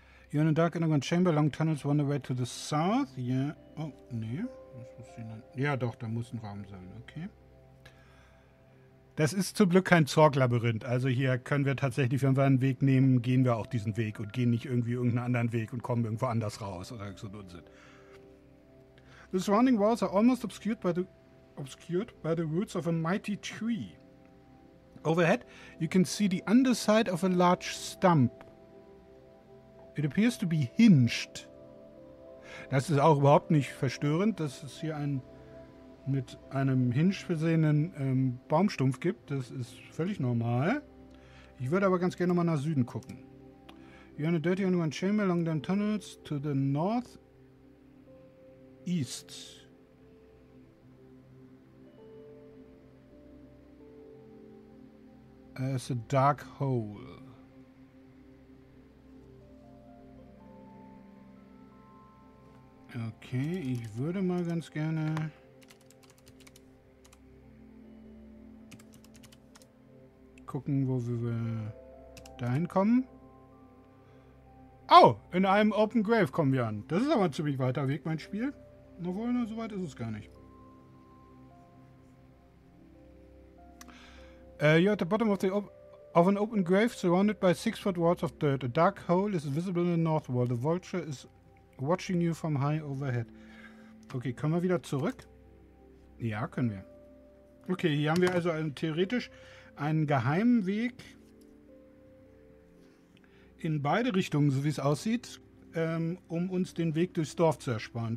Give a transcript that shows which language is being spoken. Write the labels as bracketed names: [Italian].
[English] You're in a dark underground chamber, long tunnels, one way to the south. Yeah. [German] Oh, nee. Das muss ich nicht. Ja, doch, da muss ein Raum sein. Okay. Das ist zum Glück kein Zorg-Labyrinth. Also hier können wir tatsächlich, wenn wir einen Weg nehmen, gehen wir auch diesen Weg und gehen nicht irgendwie irgendeinen anderen Weg und kommen irgendwo anders raus oder so Unsinn. [English] The surrounding walls are almost obscured by the roots of a mighty tree. Overhead, you can see the underside of a large stump. It appears to be hinged. [German] Das ist auch überhaupt nicht verstörend. Das ist hier ein mit einem Hinge versehenen Baumstumpf gibt. Das ist völlig normal. Ich würde aber ganz gerne nochmal nach Süden gucken. [English] You're in a dirty underground chamber along the tunnels to the north east. It's a dark hole. [German] Okay, ich würde mal ganz gerne... gucken, wo wir dahin kommen. Oh, in einem Open Grave kommen wir an. Das ist aber ein ziemlich weiter Weg, mein Spiel. Obwohl, nur so weit ist es gar nicht. [English] You're at the bottom of an open grave surrounded by 6-foot walls of dirt. A dark hole is visible in the north wall. The vulture is watching you from high overhead. [German] Okay, können wir wieder zurück? Ja, können wir. Okay, hier haben wir also theoretisch einen geheimen Weg in beide Richtungen, so wie es aussieht, um uns den Weg durchs Dorf zu ersparen.